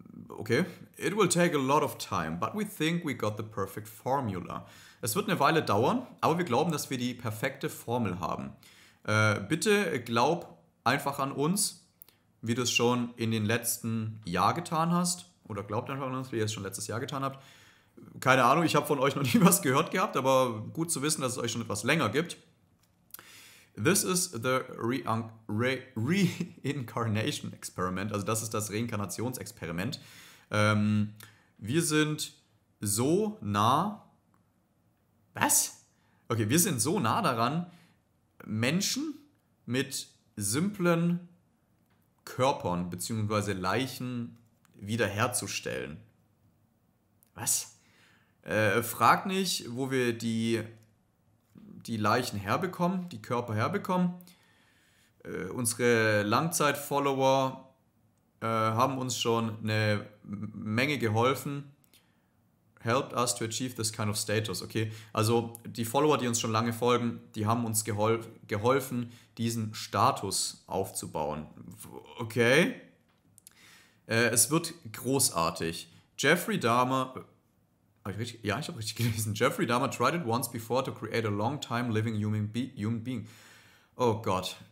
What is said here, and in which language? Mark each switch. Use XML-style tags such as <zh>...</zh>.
<en>Okay, it will take a lot of time, but we think we got the perfect formula.</en> <de>Es wird eine Weile dauern, aber wir glauben, dass wir die perfekte Formel haben. Bitte glaub einfach an uns, wie du es schon in den letzten Jahr getan hast. Oder glaubt einfach an uns, wie ihr es schon letztes Jahr getan habt. Keine Ahnung, ich habe von euch noch nie was gehört gehabt, aber gut zu wissen, dass es euch schon etwas länger gibt.</de> <en>This is the Reincarnation Experiment.</en> <de>Also das ist das Reinkarnationsexperiment. Wir sind so nah... Was? Okay, wir sind so nah daran, Menschen mit simplen Körpern bzw. Leichen wiederherzustellen. Was? Frag nicht, wo wir die Leichen herbekommen, die Körper herbekommen. Unsere Langzeit-Follower haben uns schon eine Menge geholfen.</de> <en>Helped us to achieve this kind of status, okay?</en> <de>Also die Follower, die uns schon lange folgen, die haben uns geholfen, diesen Status aufzubauen. Okay? Es wird großartig. Jeffrey Dahmer... Ich habe richtig gelesen.</de> <en>Jeffrey Dahmer tried it once before to create a long time living human being.</en> <de>Oh Gott.</de>